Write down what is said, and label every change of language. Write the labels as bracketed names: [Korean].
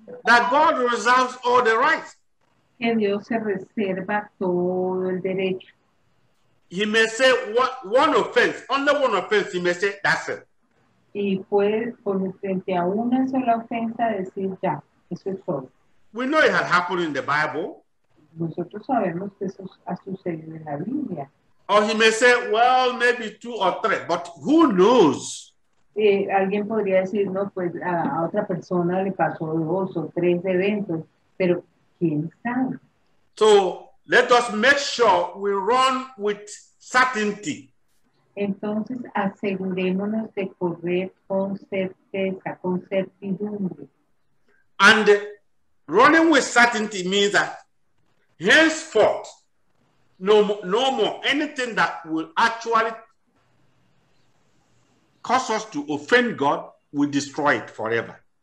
[English] that God reserves all the rights. [Spanish] Que Dios se reserva todo el derecho. [English] He may say one offense, under one offense, he may say, that's it. [Spanish] Y puede, con frente a una sola ofensa, decir ya, eso es todo. [English] We know it has happened in the Bible. [Spanish] Nosotros sabemos que eso ha sucedido en la Biblia. [English] Or he may say, well, maybe two or three, but who knows? [Spanish] Alguien podría decir, no, pues a otra persona le pasó dos o tres eventos, pero ¿quién sabe? [English] So, let us make sure we run with certainty. [Spanish] Entonces, asegurémonos de correr con certeza, con certidumbre. [English] And Running with certainty means that henceforth, no more, anything that will actually cause us to offend God, we destroy it forever.